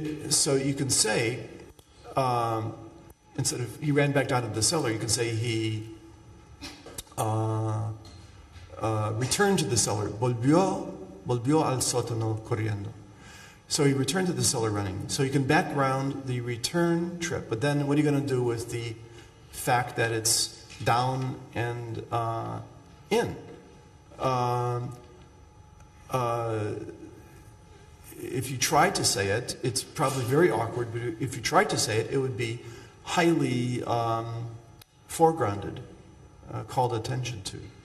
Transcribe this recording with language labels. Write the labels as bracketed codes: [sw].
[en] So you can say, instead of he ran back down to the cellar, you can say he returned to the cellar. [es] Volvió al sótano corriendo. [en] So he returned to the cellar running. So you can background the return trip, but then what are you going to do with the fact that it's down and in? If you try to say it, it's probably very awkward, but if you try to say it, it would be highly foregrounded, called attention to.